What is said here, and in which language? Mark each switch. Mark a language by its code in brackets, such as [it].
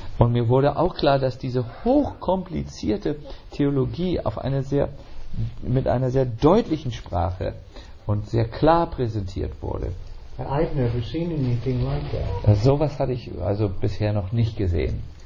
[de] Und mir wurde auch klar, dass diese hochkomplizierte Theologie mit einer sehr deutlichen Sprache und sehr klar präsentiert wurde. [en] I've never seen anything like that. [de] So was hatte ich also bisher noch nicht gesehen.